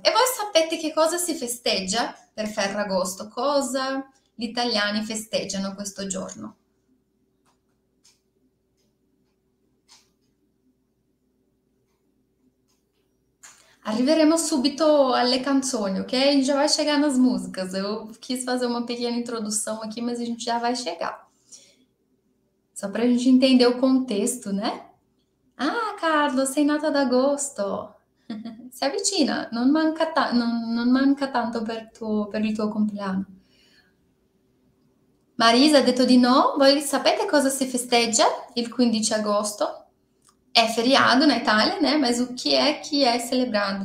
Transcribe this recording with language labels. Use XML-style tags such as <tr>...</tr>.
<it>E voi sapete che cosa si festeggia per Ferragosto? Cosa gli italiani festeggiano questo giorno? Arriveremo subito alle canzoni, ok?</it> <pt>Já vai chegar nas músicas. Eu quis fazer uma pequena introdução aqui, mas a gente já vai chegar. Só para a gente entender o contexto, né?</pt> <it>Ah, Carlos, sei nata d'agosto. Si avvicina, non manca tanto per il tuo compleanno. Marisa ha detto di no. Voi sapete cosa si festeggia il 15 agosto? È feriato in Italia,</it> <pt>né?</pt> <it>Ma chi è celebrando?</it>